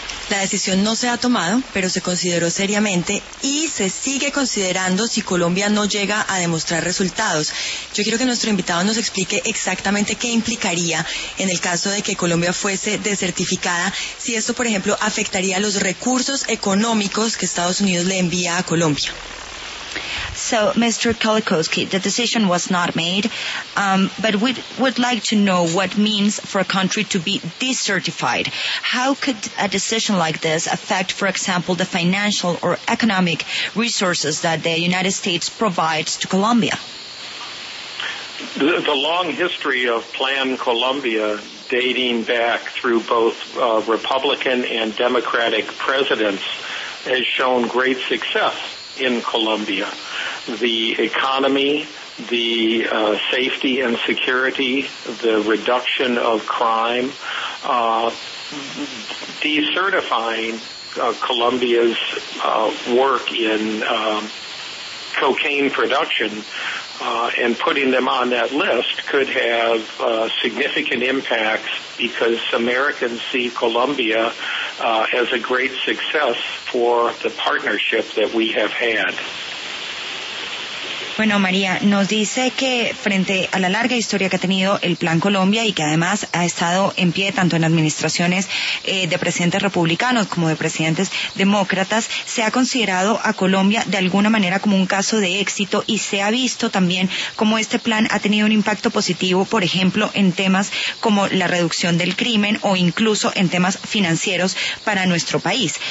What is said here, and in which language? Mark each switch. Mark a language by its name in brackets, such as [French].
[Spanish] La decisión no se ha tomado, pero se consideró seriamente y se sigue considerando si Colombia no llega a demostrar resultados. Yo quiero que nuestro invitado nos explique exactamente qué implicaría en el caso de que Colombia fuese desertificada, si esto, por ejemplo, afectaría los recursos económicos que Estados Unidos le envía a Colombia. [English] So, Mr. Kolakowski, the decision was not made, but we would like to know what means for a country to be decertified. How could a decision like this affect, for example, the financial or economic resources that the United States provides to Colombia? The long history of Plan Colombia, dating back through both Republican and Democratic presidents, has shown great success in Colombia. The economy, the safety and security, the reduction of crime, decertifying Colombia's work in cocaine production and putting them on that list could have significant impacts because Americans see Colombia as a great success for the partnership that we have had. [Spanish] Bueno, María, nos dice que frente a la larga historia que ha tenido el Plan Colombia y que además ha estado en pie tanto en administraciones de presidentes republicanos como de presidentes demócratas, se ha considerado a Colombia de alguna manera como un caso de éxito y se ha visto también cómo este plan ha tenido un impacto positivo, por ejemplo, en temas como la reducción del crimen o incluso en temas financieros para nuestro país.